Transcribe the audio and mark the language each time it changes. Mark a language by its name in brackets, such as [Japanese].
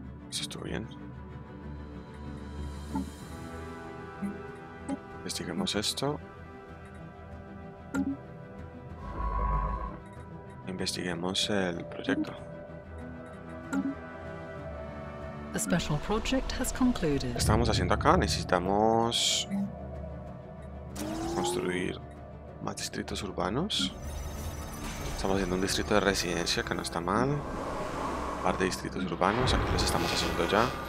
[Spanish] ¿Eso estuvo bien? Investiguemos esto. Investiguemos el proyecto. [English] A special project has concluded. [Spanish] ¿Qué estamos haciendo acá? Necesitamos construir más distritos urbanos. Estamos haciendo un distrito de residencia que no está mal. Un par de distritos urbanos. Aquí los estamos haciendo ya.